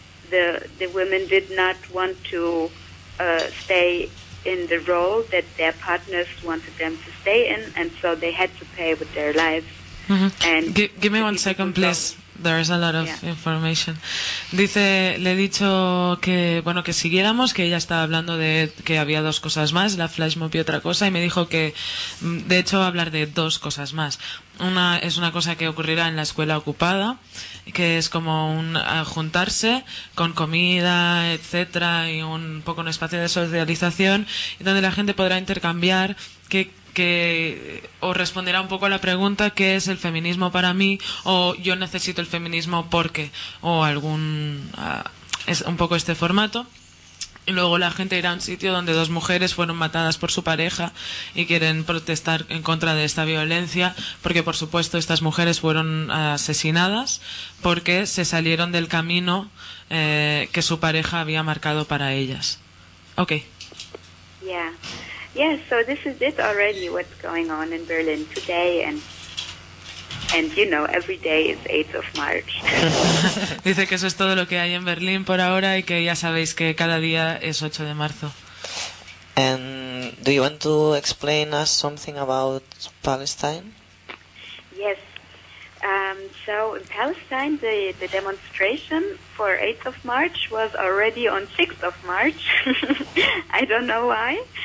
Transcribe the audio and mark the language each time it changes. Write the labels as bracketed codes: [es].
[en] the women did not want to stay in the role that their partners wanted them to stay in, and so they had to pay with their lives. Mm-hmm. And give me 1 second, please. There is a lot of information. [es] Dice, le he dicho que, bueno, que siguiéramos, que ella estaba hablando de que había dos cosas más, la flash mob y otra cosa, y me dijo que, de hecho, va a hablar de dos cosas más. Una es una cosa que ocurrirá en la escuela ocupada, que es como un juntarse con comida, etcétera, y un poco un espacio de socialización, donde la gente podrá intercambiar que os responderá un poco a la pregunta qué es el feminismo para mí, o yo necesito el feminismo porque, o algún es un poco este formato. Y luego la gente irá a un sitio donde dos mujeres fueron matadas por su pareja y quieren protestar en contra de esta violencia, porque por supuesto estas mujeres fueron asesinadas porque se salieron del camino que su pareja había marcado para ellas. [en] Okay. Yeah. Yes, yeah, so this is it already, what's going on in Berlin today, and you know, every day is 8th of March. [es] Dice que eso es todo lo que hay en Berlín por ahora y que ya sabéis que cada día es 8 de marzo. [en] And do you want to explain us something about Palestine? Yes, so in Palestine the demonstration for 8th of March was already on 6th of March. I don't know why.